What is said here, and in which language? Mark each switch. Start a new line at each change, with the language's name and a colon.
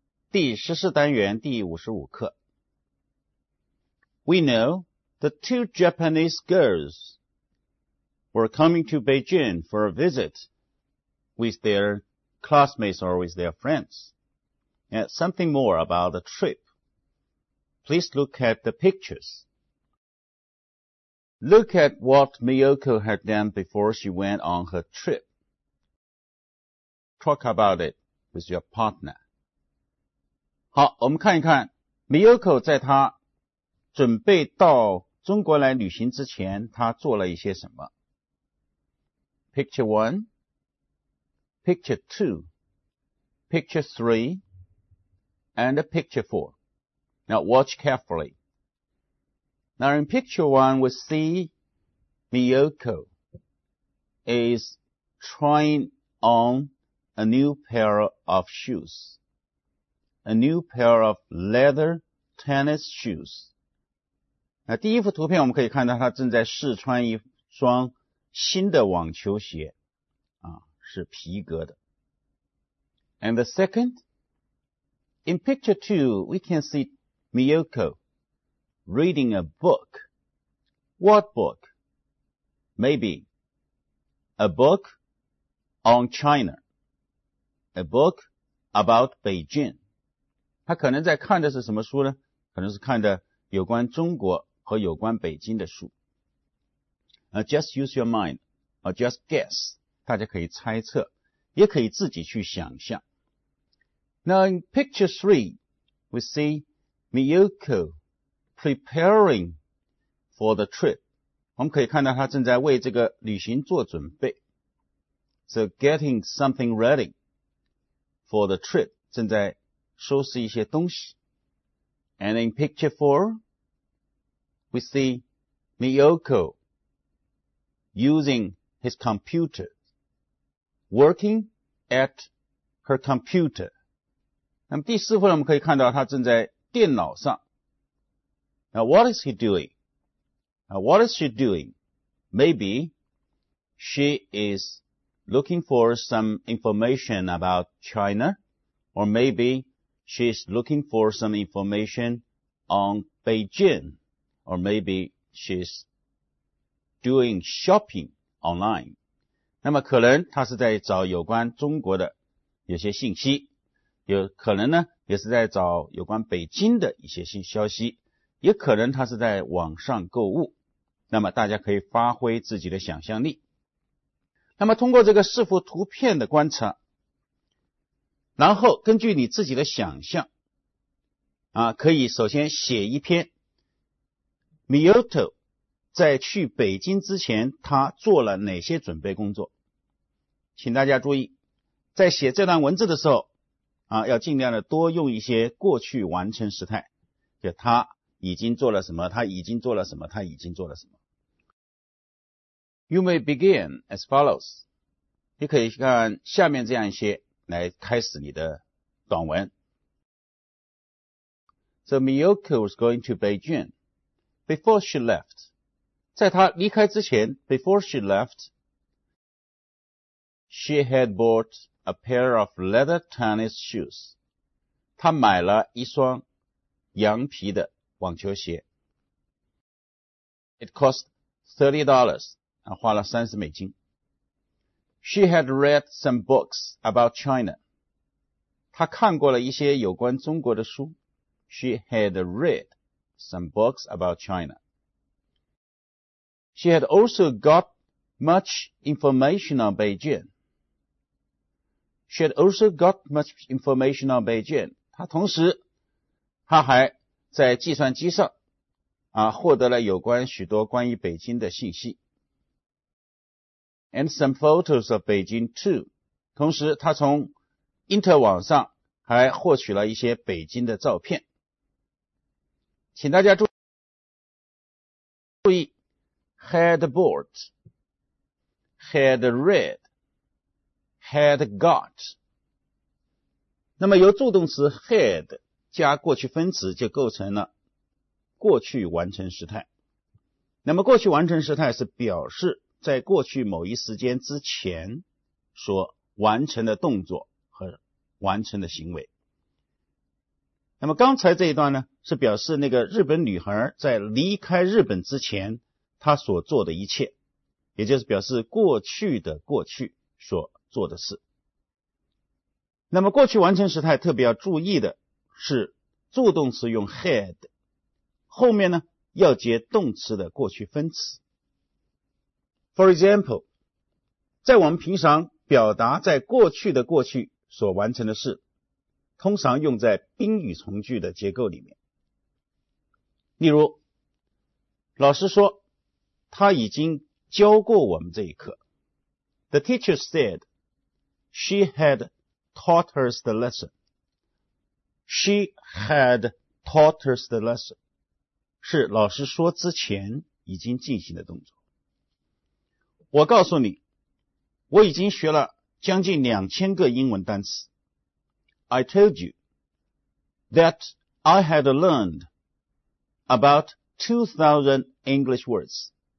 Chinese: 第十四单元第五十五课。
English: We know the two Japanese girls were coming to Beijing for a visit with their classmates or with their friends. And something more about the trip. Please look at the pictures. Look at what Miyoko had done before she went on her trip. Talk about it with your partner.
Chinese: 好，我们看一看 Miyoko 在她准备到中国来旅行之前，她做了一些什么。
English: Picture 1, Picture 2, Picture 3, and Picture 4. Now watch carefully. Now in Picture 1, we see Miyoko is trying onA new pair of shoes, a new pair of leather tennis shoes.
Chinese: 那第一幅图片我们可以看到她正在试穿一双新的网球鞋，啊，是皮革的。
English: And the second, in picture two, we can see Miyoko reading a book. What book? Maybe a book on China. A book about Beijing.
Chinese: 他可能在看的是什么书呢？可能是看的有关中国和有关北京的书。
English: Just use your mind, or just guess.
Chinese: 大家可以猜测，也可以自己去想象。
English: Now in picture three, we see Miyoko preparing for the trip.
Chinese: 我们可以看到他正在为这个旅行做准备。
English: So getting something ready. For the trip,
Chinese: 正在收拾一些东西。
English: And in picture four, we see Miyoko using his computer, working at her computer.
Chinese: 那么第四幅我们可以看到他正在电脑上。
English: Now what is he doing? Now what is she doing? Maybe she is... Looking for some information about China, or maybe she's looking for some information on Beijing, or maybe she's doing shopping online.
Chinese: 那么可能她是在找有关中国的有些信息，有可能呢，也是在找有关北京的一些新消息，也可能她是在网上购物。那么大家可以发挥自己的想象力。那么通过这个四幅图片的观察，然后根据你自己的想象，啊，可以首先写一篇 Miyoko 在去北京之前他做了哪些准备工作。请大家注意，在写这段文字的时候，啊，要尽量的多用一些过去完成时态，就他已经做了什么，他已经做了什么，他已经做了什么。
English: You may begin as follows.
Chinese: 你可以看下面这样一些来开始你的短文。
English: So Miyoko was going to Beijing. Before she left,
Chinese: 在她离开之前 ,
English: before she left, she had bought a pair of leather tennis shoes.
Chinese: 她买了一双羊皮的网球鞋。
English: It cost $30.
Chinese: 花了三十美金。
English: She had read some books about China.
Chinese: 她看过了一些有关中国的书。
English: She had read some books about China. She had also got much information on Beijing. She had also got much information on Beijing.
Chinese: 她同时，她还在计算机上，啊，获得了有关许多关于北京的信息。
English: And some photos of Beijing too.
Chinese: 同时他从因特网上还获取了一些北京的照片。请大家注意
English: had bought, had read, had got.
Chinese: 那么由助动词 had 加过去分词就构成了过去完成时态。那么过去完成时态是表示在过去某一时间之前所完成的动作和完成的行为。那么刚才这一段呢，是表示那个日本女孩在离开日本之前她所做的一切，也就是表示过去的过去所做的事。那么过去完成时态特别要注意的是助动词用 had， 后面呢要接动词的过去分词。
English: For example，
Chinese: 在我们平常表达在过去的过去所完成的事，通常用在宾语从句的结构里面。例如老师说他已经教过我们这一课。
English: The teacher said she had taught us the lesson. She had taught us the lesson
Chinese: 是老师说之前已经进行的动作。我告诉你，我已经学了将近2000个英文单词。
English: I told you that I had learned about 2,000 English words.